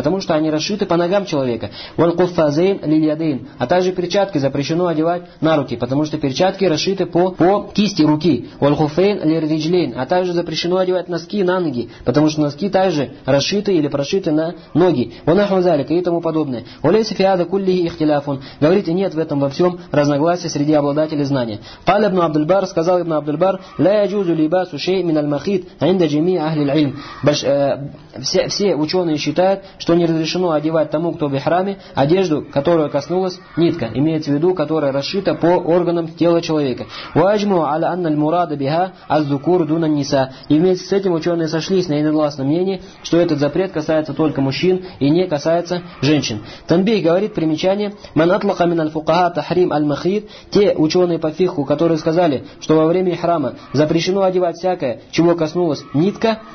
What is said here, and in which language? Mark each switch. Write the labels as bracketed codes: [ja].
[ru] Потому что они расшиты по ногам человека. [ar] Валь-куффазейн лиль-ядейн, [ru] а также перчатки запрещено одевать на руки, потому что перчатки расшиты по кисти руки. [ar] Валь-хуфейн лиль-риджлейн, [ru] а также запрещено одевать носки на ноги, потому что носки также расшиты или прошиты на ноги. [ar] Валь-ахмазалик [ru] и тому подобное. [ar] Валь-сифиадаку [ru] говорит, и нет в этом во всем разногласия среди обладателей знания. [ar] قال ابن عبد البر, [ru] сказал [ar] ابن عبد البر, لا يجوز لباس شيء من المخيط عند جميع أهل العلم. [ru] Все ученые считают, что не разрешено одевать тому, кто в храме, одежду, которая коснулась нитка, имеется в виду, которая расшита по органам тела человека. [ar] واجمع على أن المراد بها الذكور دون النساء. [ru] И вместе с этим ученые сошлись на единогласном мнении, что этот запрет касается только мужчин и не касается женщин. Тамбих говорит примечательно. замечание. [ar] Ман атлака мин аль-фукаха тахрим аль-махид. [ru] Те ученые по фикху, которые сказали, что во время ихрама запрещено одевать всякое, чего коснулась нитка.